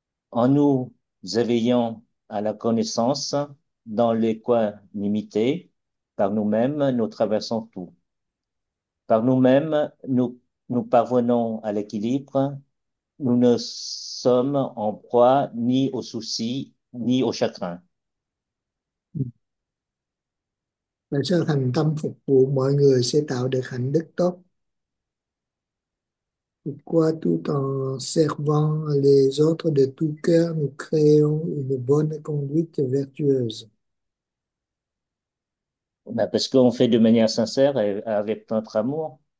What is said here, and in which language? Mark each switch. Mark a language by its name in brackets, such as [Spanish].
[French] En nous éveillant à la connaissance, dans l'équanimité, par nous-mêmes, nous traversons tout. Par nous-mêmes, nous parvenons à l'équilibre. Nous ne sommes en proie ni aux soucis, ni aux chagrins. [Vietnamese] Là sao thành tâm phục vụ mọi người sẽ tạo được hạnh đức tốt. [French] Pourquoi tout en servant les autres de tout cœur, nous créons une bonne conduite vertueuse. Ben parce qu'on fait de manière sincère et avec notre amour.